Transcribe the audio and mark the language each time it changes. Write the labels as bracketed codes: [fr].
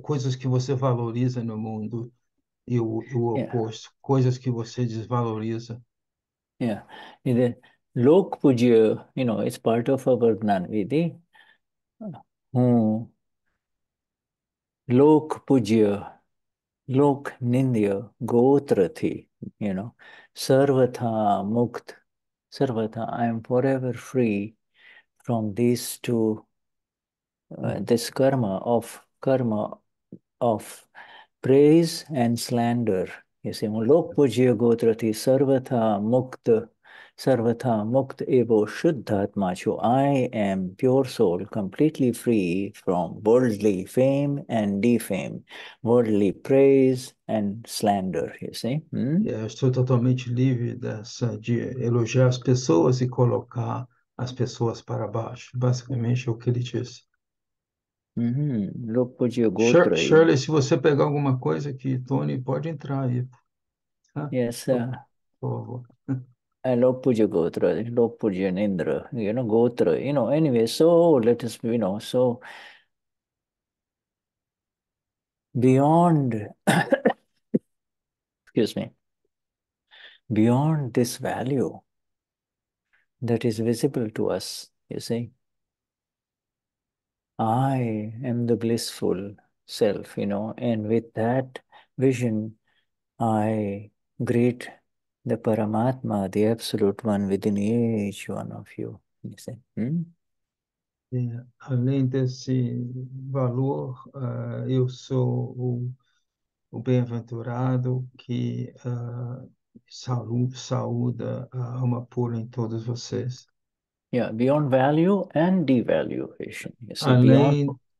[pt] coisas que você valoriza no mundo e o oposto, coisas que você desvaloriza. [en] Lok Pujya, it's part of our Gnani Vidhi. [gu] Lok Pujya, Lok Nindya, Gotrathi, Sarvatha Mukt, Sarvatha, [en] I am forever free from these two, this karma of praise and slander. You see, [gu] Lok Pujya Gotrati Sarvatha Mukta Evo Shuddhatma Cho. [en] I am pure soul, completely free from worldly fame and defame, worldly praise and slander. You see? [pt] Eu estou totalmente livre de elogiar as pessoas e colocar as pessoas para baixo. Basicamente é o que ele disse. [gu] Lok Pujya Gotrai. [pt] Shirley, se você pegar alguma coisa aqui, Tony, pode entrar aí. [en] Yes, [pt] Por favor. [gu] Lok Pujya Gotra, Lok Pujya Nindra, Gotra, [en] anyway, so let us, so beyond, excuse me, beyond this value that is visible to us, you see, I am the blissful self, and with that vision, I greet the Paramatma, the Absolute One within each one of you. You say, [pt] Além desse valor, eu sou o bem-aventurado que saúda a alma pura em todos vocês. [en] Beyond value and devaluation. You see, beyond.